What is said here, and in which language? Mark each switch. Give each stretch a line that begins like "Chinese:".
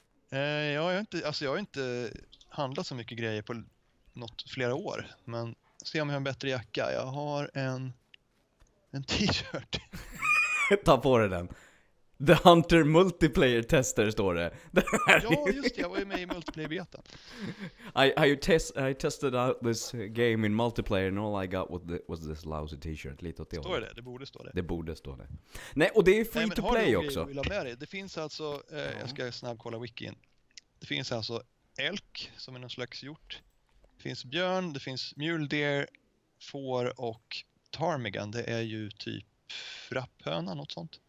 Swedish: Jag har inte handlat så mycket grejer på något flera år, men se om jag har en bättre jacka. Jag har en t-shirt. Ta på dig den. The Hunter Multiplayer Tester står det. Ja, just det. Jag var ju med i multiplayer-betan.
English: I tested out this game in multiplayer and all I got was this lousy t-shirt.
Swedish: Lite åt det står hållet. Det? Det borde stå det. Det borde stå det. Nej, och det är free to play också. Det finns alltså, jag ska snabbt kolla wikin. Det finns alltså elk som är någon slags hjort. Det finns björn, det finns mule deer, får och ptarmigan. Det är ju typ rapphöna, något sånt.